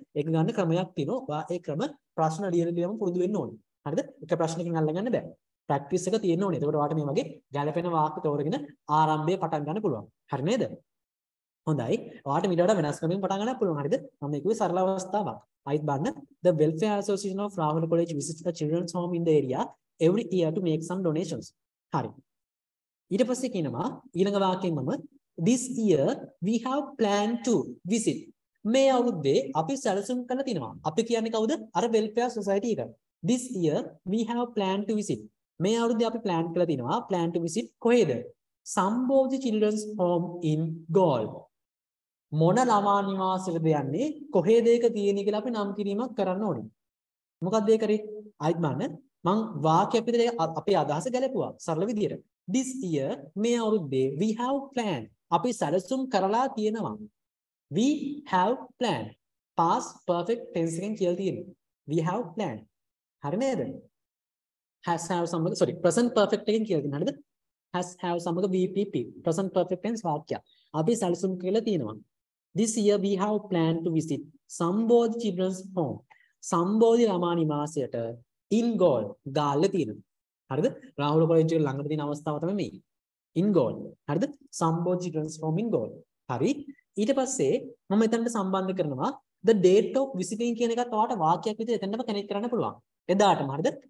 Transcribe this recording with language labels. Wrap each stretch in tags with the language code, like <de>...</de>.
<si>ඒක ගන්න ක්‍රමයක් තියෙනවා. ඔයා ඒ ක්‍රම ප්‍රශ්න ලියන ගමන් පුරුදු වෙන්න ඕනේ. හරිද? එක ප්‍රශ්නකින් අල්ලගන්න බෑ. ප්‍රැක්ටිස් එක තියෙන්න ඕනේ. එතකොට ඔයාට මේ වගේ ගැළපෙන වාක්‍ය තෝරගෙන ආරම්භයේ පටන් ගන්න පුළුවන්. හරි නේද? හොඳයි. ඔයාට මෙන්න වඩා වෙනස් ක්‍රමෙන් පටන් ගන්න පුළුවන්. හරිද? මම කියුවේ සරල අවස්ථාවක්. අයිත් බලන්න.</si> <en>The Welfare Association of Rahula College visits the children's home in the area every year to make some donations.</en> <si>හරි. ඊට පස්සේ කියනවා ඊළඟ වාක්‍යෙම</si> <en>this year we have planned to visit</en> <si>මේ අවුරුද්දේ අපි සැලසුම් කරන්න තිනවා අපි කියන්නේ කවුද අර welfare society එක this year we have planned to visit මේ අවුරුද්දේ අපි plan කරලා තිනවා</si> <en>plan to visit</en> <si>කොහෙද Sambhoji children's home in Galle මොන ළමා නිවාසෙද යන්නේ කොහෙද ඒක තියෙන්නේ කියලා අපි නම් කිරීමක් කරන්න ඕනේ මොකක්ද ඒ කරේ අයිත් මන්න මං වාක්‍ය අපිට අපේ අදහස ගැලපුවා සරල විදියට</si> <en>This year,</en> <si>මේ අවුරුද්දේ</si> <en>we have planned.</en> <si>අපි සැලසුම් කරලා තියෙනවා.</si> <en>We have planned.</en> <si>Past perfect tense එකෙන් කියලා තියෙනවා.</si> <en>We have planned.</en> <si>හරි නේද? Has have සමග sorry present perfect එකෙන් කියලා තියෙනවා නේද? Has have සමග VPP present perfect tense වාක්‍ය. අපි සැලසුම් කියලා තියෙනවා.</si> <en>This year we have planned to visit Sambhoji children's home.</en> <si>Sambhoji ළමා නිවාසයට in Galle. Galle තියෙනවා. හරිද? රාහුල කොලෙජ් එක ළඟට තියෙන අවස්ථාව තමයි මේ.</si> <en>In Galle. හරිද? Sambhoji children's home in Galle. හරි.</en> <si>ඊට පස්සේ මම මෙතනට සම්බන්ධ කරනවා</si> <en>the date of visiting</en> <si>කියන එකත් ඔයාලට වාක්‍යයක් විදිහට එතනම කනෙක්ට් කරන්න පුළුවන්. එදාටම හරිද?</si>